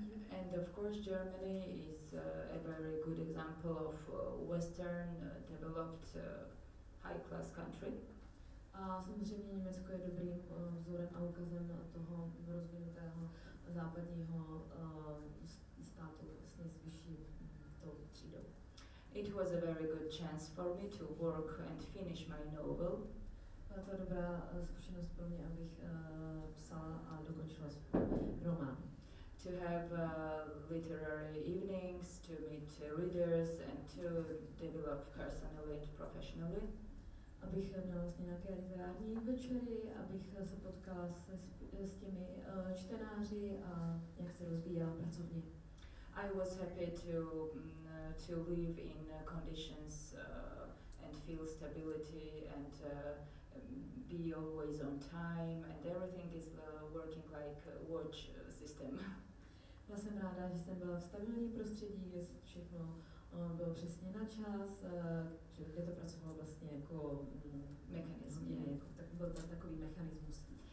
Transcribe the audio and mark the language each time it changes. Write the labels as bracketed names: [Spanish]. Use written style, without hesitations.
[English] And of course, Germany is a very good example of Western developed high-class country. [Czech] A samozřejmě Německo je dobrým vzorem a ukazem toho rozvinutého západního státu vlastně s vyšší tou třídou. [English] It was a very good chance for me to work and finish my novel. [Czech] Byla to dobrá zkušenost pro mě, abych psala a dokončila svůj román. [English] To have literary evenings, to meet readers and to develop personally and professionally. [Czech] Abych měla vlastně nějaké literární večery, abych se potkala s těmi čtenáři a nějak se rozvíjela pracovně. [English] I was happy to live in conditions and feel stability and be always on time and everything is working like a watch system. [Czech] Já jsem ráda, že jsem byla v stabilním prostředí, kde všechno bylo přesně na čas, kde to pracovalo vlastně jako [English] mechanism, [Czech] jako tak byl tam takový mechanismus.